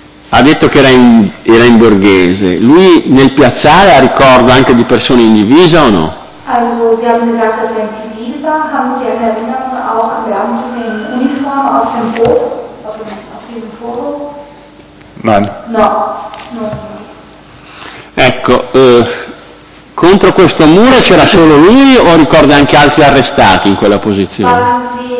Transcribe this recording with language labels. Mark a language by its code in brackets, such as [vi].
[it] Ha detto che era in borghese. Lui nel piazzale ha ricordo anche di persone in divisa o no? [de] Also, Sie haben gesagt, dass er in Zivil war. Haben Sie Erinnerungen auch an Beamte in Uniform auf dem Hof, auf dem Foto? Nein. [it] No. Ecco, contro questo muro c'era solo lui o ricorda anche altri arrestati in quella posizione?